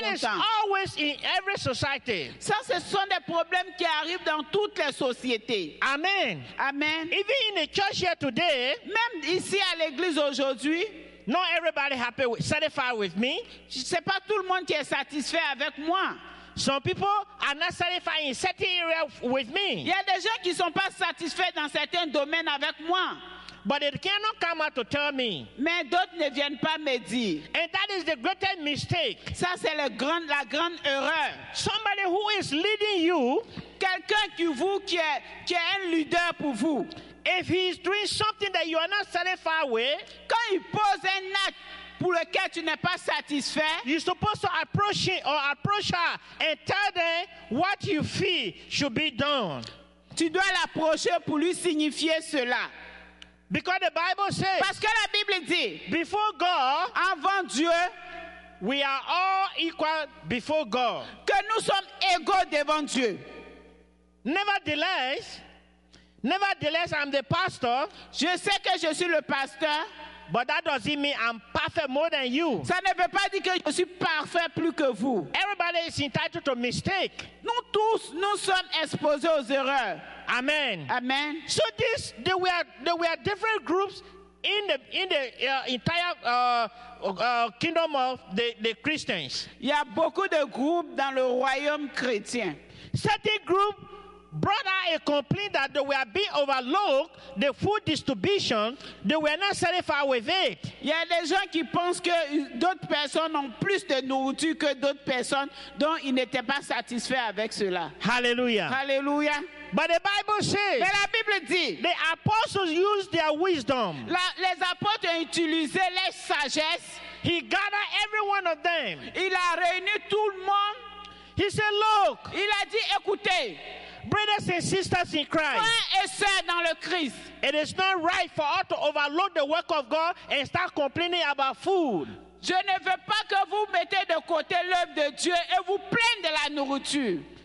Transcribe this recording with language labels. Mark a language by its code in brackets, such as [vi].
[en] That is always in every society. [fr] Ça, ce sont des problèmes qui arrivent dans toutes les sociétés. [en] Amen. [fr] Amen. [en] Even in the church here today. [fr] Même ici à l'église aujourd'hui. [en] Not everybody happy with, satisfied with me. [fr] C'est pas tout le monde qui est satisfait avec moi. [en] Some people are not satisfied in certain areas with me. [fr] Il y a des gens qui sont pas satisfaits dans certains domaines avec moi. [en] But it cannot come out to tell me. [fr] Mais d'autres ne viennent pas me dire. [en] And that is the greatest mistake. [fr] Ça c'est la grande erreur. [en] Somebody who is leading you, [fr] quelqu'un qui est un leader pour vous, [en] If he's doing something that you are not satisfied with, [fr] quand il pose un acte pour lequel tu n'es pas satisfait, [en] you're supposed to approach him or approach her and tell them what you feel should be done. [fr] Tu dois l'approcher pour lui signifier cela. [en] Because the Bible says, [fr] parce que la Bible dit, [en] before God, [fr] avant Dieu, [en] we are all equal before God. [fr] Que nous sommes égaux devant Dieu. [en] Nevertheless, I'm the pastor. [fr] Je sais que je suis le pasteur. [en] But that doesn't mean I'm perfect more than you. [fr] Ça ne veut pas dire que je suis parfait plus que vous. [en] Everybody is entitled to mistake. [fr] Nous tous, nous sommes exposés aux erreurs. [en] Amen. [fr] Amen. [en] So this, there were different groups in the entire kingdom of the Christians. [fr] Il y a beaucoup de groupes dans le royaume chrétien. [en] Certain group brought out a complaint that they were being overlooked, the food distribution, they were not satisfied with it. [fr] Il y a des gens qui pensent que d'autres personnes ont plus de nourriture que d'autres personnes, donc ils n'étaient pas satisfaits avec cela. [en] Hallelujah. [fr] Hallelujah. [en] But the Bible says, [fr] mais la Bible dit, [en] the apostles used their wisdom. [fr] Les apôtres ont utilisé leur sagesse. [en] He gathered every one of them. [fr] Il a réuni tout le monde. [en] He said, look. [fr] Il a dit, écoutez, [en] brothers and sisters in Christ, [fr] frères et sœurs dans le Christ, [en] it is not right for us to overload the work of God and start complaining about food. [fr] Je ne veux pas que vous mettez de côté l'œuvre de Dieu et vous plaignez de la nourriture.